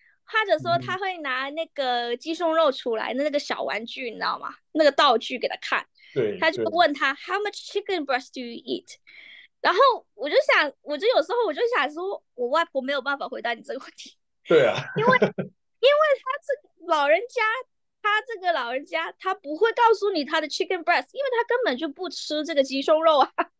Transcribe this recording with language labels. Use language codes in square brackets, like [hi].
[zh] 或者说他会拿那个鸡胸肉出来，那个小玩具你知道吗？那个道具给他看。他就问他 [en] "How much chicken breast do you eat？" [zh] 然后我就想，我就有时候我就想说，我外婆没有办法回答你这个问题，因为他这老人家，他这个老人家，他不会告诉你他的 [en] chicken breast， [zh] 因为他根本就不吃这个鸡胸肉啊。